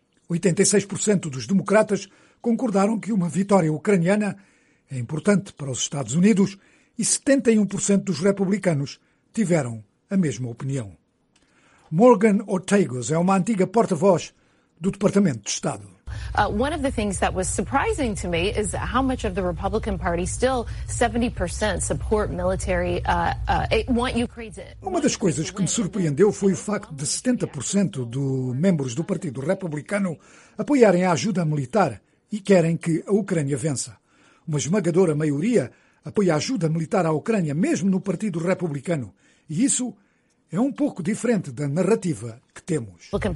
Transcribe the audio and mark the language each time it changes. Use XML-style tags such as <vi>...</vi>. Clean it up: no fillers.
<pt>86% dos democratas concordaram que uma vitória ucraniana é importante para os Estados Unidos e 71% dos republicanos tiveram a mesma opinião. Morgan Ortegos é uma antiga porta-voz do Departamento de Estado.</pt> <en>One of the things that was surprising to me is how much of the Republican Party still 70% support military, want Ukraine to...</en> <pt>Uma das coisas que me surpreendeu foi o facto de 70% dos membros do Partido Republicano apoiarem a ajuda militar e querem que a Ucrânia vença. Uma esmagadora maioria apoia a ajuda militar à Ucrânia, mesmo no Partido Republicano. E isso é um pouco diferente da narrativa que temos.</pt>